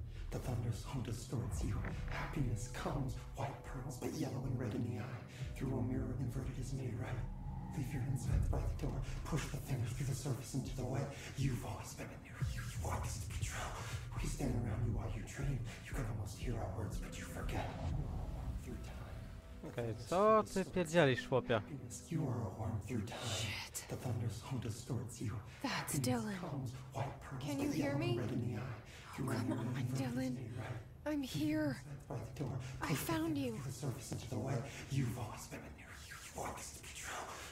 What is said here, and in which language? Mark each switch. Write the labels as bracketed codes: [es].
[en] The thunder's home distorts you. Happiness comes, white pearls, but yellow and red in the eye. Through a mirror inverted is made right. Leave your inside by the door. Push the fingers through the surface into the wet. You've always been in there. You walk this patrol. We stand around you while you dream. You can almost hear our words, but you forget. [pl] Okay, co ty pierdzielisz, chłopie? [en] You are a worm through time. Shit. The thunder's home distorts you. That's Dylan. Can you hear me? Oh, come on, Dylan. I'm here. I found you. The surface into the wet. You've always been in there. You walk this patrol.